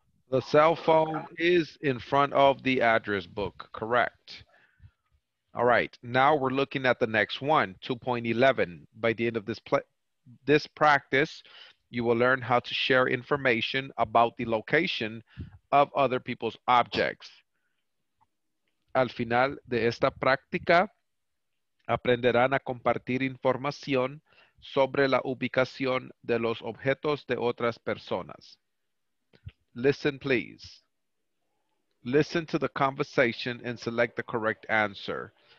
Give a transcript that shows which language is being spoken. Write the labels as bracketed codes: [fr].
[en] The cell phone is in front of the address book, correct. All right, now we're looking at the next one, 2.11. By the end of this practice, you will learn how to share information about the location of other people's objects. [es] Al final de esta práctica, aprenderán a compartir información sobre la ubicación de los objetos de otras personas. [en] Listen, please. Listen to the conversation and select the correct answer.